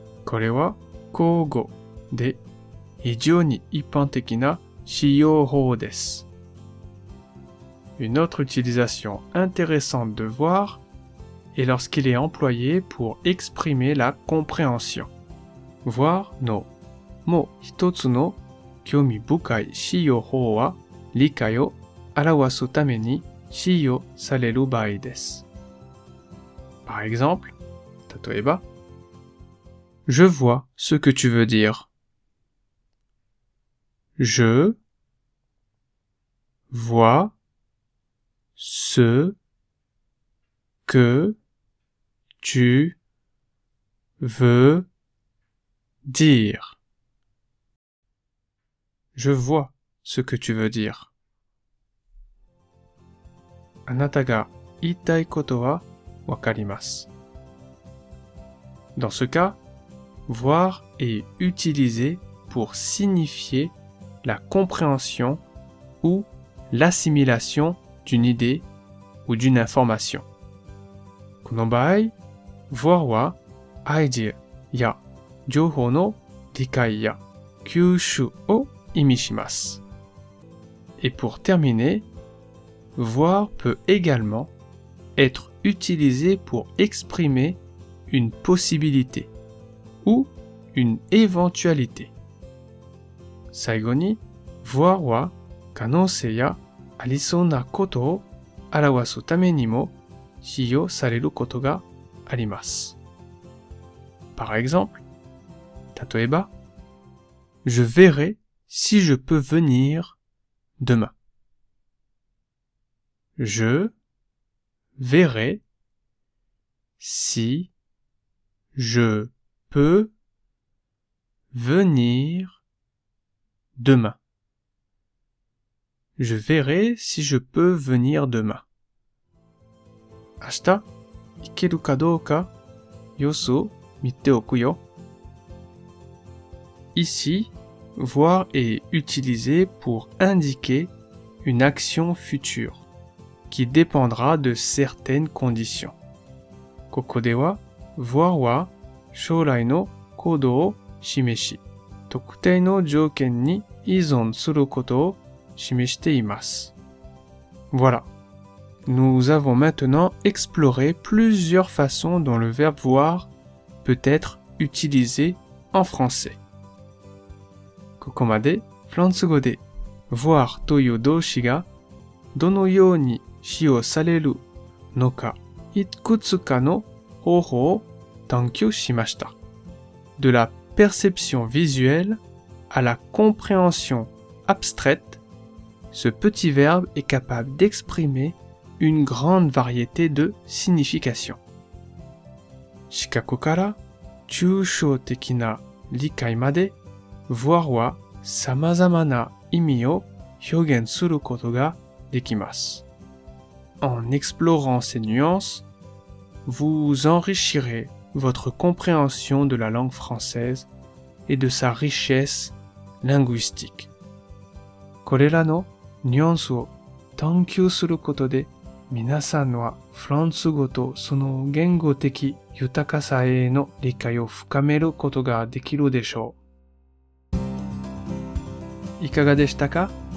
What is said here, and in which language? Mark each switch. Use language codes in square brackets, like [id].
[ja] これは口語で非常に一般的な使用法です。 [fr] Une autre utilisation intéressante de voir est lorsqu'il est employé pour exprimer la compréhension. [ja] Voir のもう一つの興味深い使用法は理解を表すために使用される場合です。 [fr] Par exemple, [ja] 例えば、 [fr] Je vois ce que tu veux dire. Je vois ce que tu veux dire. Je vois ce que tu veux dire. [ja] あなたが言いたいことはわかります。 [fr] Dans ce cas, voir est utilisé pour signifierla compréhension ou l'assimilation d'une idée ou d'une information. [ja] この場合、voir はアイディアや情報の理解や吸収を意味します。 [fr] Et pour terminer, voir peut également être utilisé pour exprimer une possibilité ou une éventualité. [ja] 最後に、voir は可能性やありそうなことを表すためにも使用されることがあります。 [fr] Par exemple, [ja] 例えば、 [fr] Je verrai si je peux venir demain. Je verrai si je peux venirDemain. Je verrai si je peux venir demain. [ja] 明日、行けるかどうか、様子を見ておくよ。 [fr] Ici, voir est utilisé pour indiquer une action future qui dépendra de certaines conditions. [ja] ここでは、voir は将来の行動を示し、特定の条件に依存することを示しています。 [fr] Voilà. Nous avons maintenant exploré plusieurs façons dont le verbe voir peut être utilisé en français. [ja] ここまで、フランス語で、voir という動詞がどのように使用されるのか、いくつかの方法を探求しました。 [fr] De la perception visuelle à la compréhension abstraite, ce petit verbe est capable d'exprimer une grande variété de significations. [ja] 視覚から抽象的な理解まで、voir は様々な意味を表現することができます。 [fr] En explorant ces nuances, vous enrichirez votre compréhension de la langue française et de sa richesse linguistique. [ja] これらのニュアンスを探求することで、皆さんはフランス語とその言語的豊かさへの理解を深めることができるでしょう。いかがでしたか？